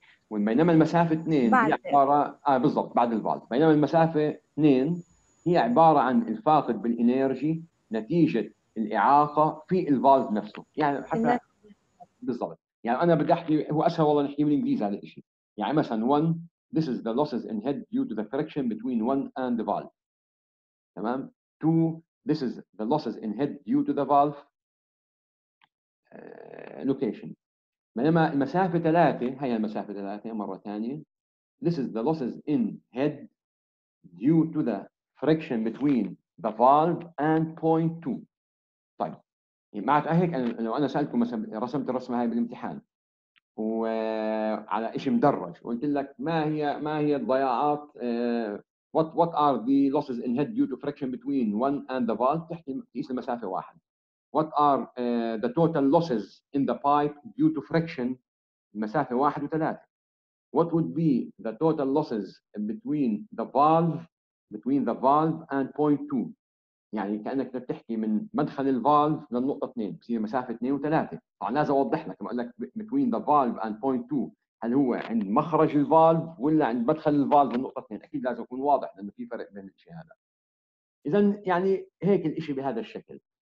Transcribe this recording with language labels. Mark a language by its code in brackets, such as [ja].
[ar] وبينما المسافه اثنين هي عباره بالضبط بعد الفالف. بينما المسافه اثنين هي عباره عن الفاقد بالانرجي نتيجة الإعاقة في الفالف نفسه. يعني حتى بالضبط. يعني أنا بدي أحكي هو أسهل والله نحكي بالإنجليزي هذا الشيء. يعني مثلا [en] one this is the losses in head due to the friction between one and the valve. [ar] تمام. [en] two this is the losses in head due to the valve location. [ar] بينما المسافة ثلاثة هي المسافة ثلاثة مرة ثانية [en] this is the losses in head due to the friction between the valve and point two. [ar] طيب يعني معك هيك لو انا سالتكم مثلا رسمت الرسمه هاي بالامتحان وعلى شيء مدرج وقلت لك ما هي الضياعات [en] what are the losses in head due to friction between one and the valve [ar] تحكي تقيس المسافه واحد. [en] what are the total losses in the pipe due to friction [ar] مسافه واحد وثلاثه. [en] what would be the total losses between the valve between the valve and point two. [ar] يعني كأنك بتحكي من مدخل الفالف للنقطة اثنين بصير مسافة اثنين وثلاثة. طبعا لازم أوضح لك لما أقول لك [en] between the valve and point two [ar] هل هو عند مخرج الفالف ولا عند مدخل الفالف للنقطة اثنين. أكيد لازم يكون واضح لأنه في فرق بين الشيء هذا. إذا يعني هيك الإشي بهذا الشكل.